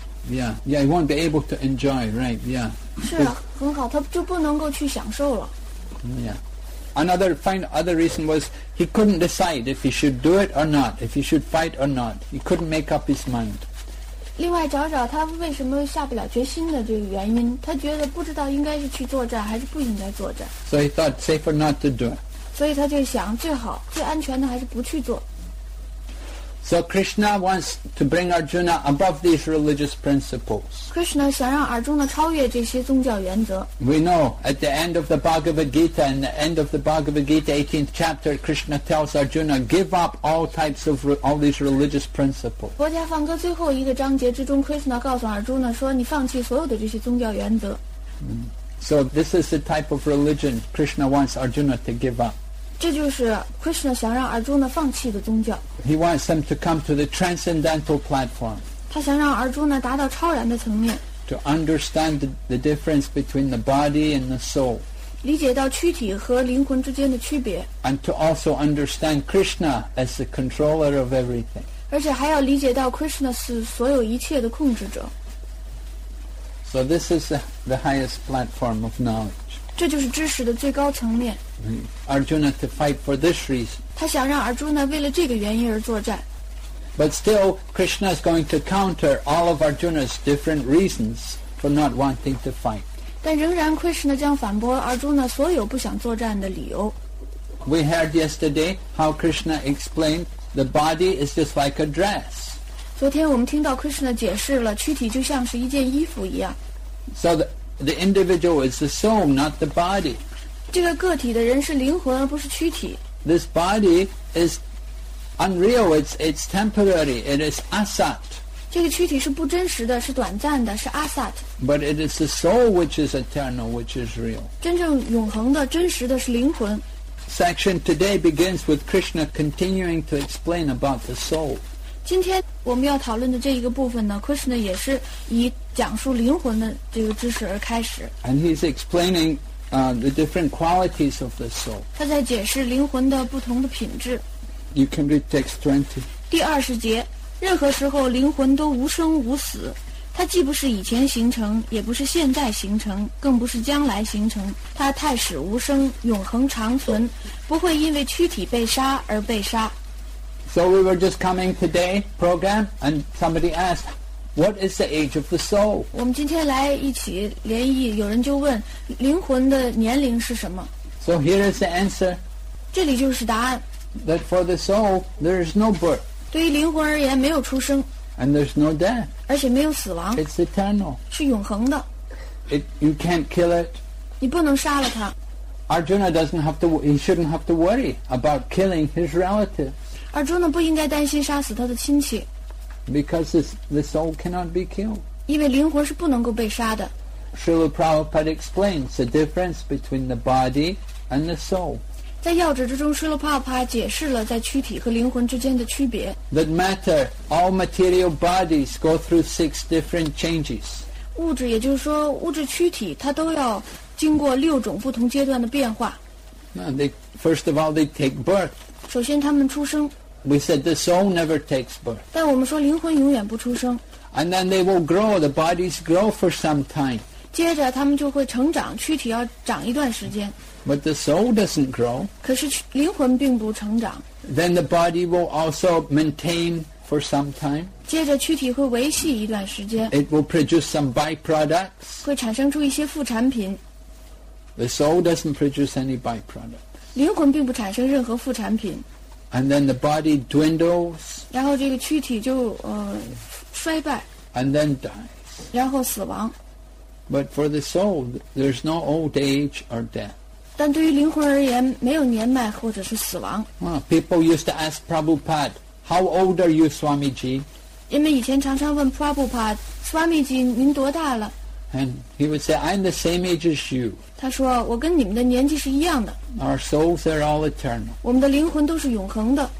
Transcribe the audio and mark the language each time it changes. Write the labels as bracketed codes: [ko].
[en] Yeah, yeah, he won't be able to enjoy, right? Yeah. [zh] 是啊，很好，他就不能够去享受了。 [en] Yeah. Another other reason was he couldn't decide if he should do it or not, if he should fight or not. He couldn't make up his mind. [zh] 另外找找他为什么下不了决心的这个原因，他觉得不知道应该是去作战还是不应该作战。 [en] So he thought safer not to do it. [zh] 所以他就想最好最安全的还是不去做。 [en] So Krishna wants to bring Arjuna above these religious principles. [zh] Krishna 想让 Arjuna 超越这些宗教原则。 [en] We know at the end of the Bhagavad Gita, in the end of the Bhagavad Gita, 18th chapter, Krishna tells Arjuna, give up all types of all these religious principles. [zh] 博迦梵歌最后一个章节之中 ，Krishna 告诉 Arjuna 说，你放弃所有的这些宗教原则。 [en] So this is the type of religion Krishna wants Arjuna to give up. [zh] 这就是 Krishna 想让 Arjuna 放弃的宗教。 [en] He wants them to come to the transcendental platform. [zh] 他想让 Arjuna 达到超然的层面。 [en] To understand the difference between the body and the soul. [zh] 理解到躯体和灵魂之间的区别。 [en] And to also understand Krishna as the controller of everything. [zh] 而且还要理解到 Krishna 是所有一切的控制者。 [en] So this is the highest platform of knowledge. [zh] 这就是知识的最高层面。 [en] Arjuna to fight for this reason. [zh] 他想让 Arjuna 为了这个原因而作战。 [en] But still, Krishna is going to counter all of Arjuna's different reasons for not wanting to fight. [zh] 但仍然 Krishna 将反驳 Arjuna 所有不想作战的理由。 [en] We heard yesterday how Krishna explained the body is just like a dress. [zh] 昨天我们听到 Krishna 解释了躯体就像是一件衣服一样。 [en] So the individual is the soul, not the body. [zh] 这个个体的人是灵魂而不是躯体。 [en] This body is unreal. It's temporary. It is asat. [zh] 这个躯体是不真实的，是短暂的，是 asat. [en] But it is the soul which is eternal, which is real. [zh] 真正永恒的、真实的是灵魂。 [en] Section today begins with Krishna continuing to explain about the soul. [zh] 今天我们要讨论的这一个部分呢 ，Krishna 也是以讲述灵魂的这个知识而开始。 [en] And he's explaining the different qualities of the soul. [zh] 他在解释灵魂的不同的品质。 [en] You can read text 20. [zh] 第二十节，任何时候灵魂都无生无死，它既不是以前形成，也不是现在形成，更不是将来形成，它太始无生，永恒长存，不会因为躯体被杀而被杀。 [en] So we were just coming today program, and somebody asked, "What is the age of the soul?" [zh] 我们今天来一起联谊，有人就问灵魂的年龄是什么。 [en] So here is the answer. [zh] 这里就是答案。 [en] That for the soul, there is no birth. [zh] 对于灵魂而言，没有出生。 [en] And there's no death. [zh] 而且没有死亡。 [en] It's eternal. [zh] 是永恒的。 [en] You can't kill it. [zh] 你不能杀了它。 [en] Arjuna doesn't have to. He shouldn't have to worry about killing his relative. [zh] 阿朱呢不应该担心杀死他的亲戚。 [en] Because the soul cannot be killed. [zh] 因为灵魂是不能够被杀的。 [en] Srila Prabhupada explains the difference between the body and the soul. [zh] 在要旨之中 Srila Prabhupada 解释了在躯体和灵魂之间的区别 [en] That matter, all material bodies go through six different changes [zh] 物质也就是说物质躯体它都要经过六种不同阶段的变化 [en] First of all, they take birth [zh] 首先他们出生 [en] We said the soul never takes birth [zh] 但我们说灵魂永远不出生 [en] And then they will grow, the bodies grow for some time [zh] 接着他们就会成长躯体要长一段时间 [en] But the soul doesn't grow. [zh] 可是灵魂并不成长。 [en] Then the body will also maintain for some time. [zh] 接着躯体会维系一段时间。 [en] It will produce some byproducts. [zh] 会产生出一些副产品。 [en] The soul doesn't produce any byproducts. [zh] 灵魂并不产生任何副产品。 [en] And then the body dwindles. [zh] 然后这个躯体就衰败。 [en] And then dies. [zh] 然后死亡。 [en] But for the soul, there's no old age or death. [zh] 但对于灵魂而言，没有年迈或者是死亡。 [en] People used to ask Prabhupada, "How old are you, Swamiji?" [zh] 人们以前常常问 Prabhupada, "Swamiji, 您多大了？" [en] And he would say, "I'm the same age as you." [zh] 他说，我跟你们的年纪是一样的。 [en] Our souls are all eternal. [zh] 我们的灵魂都是永恒的。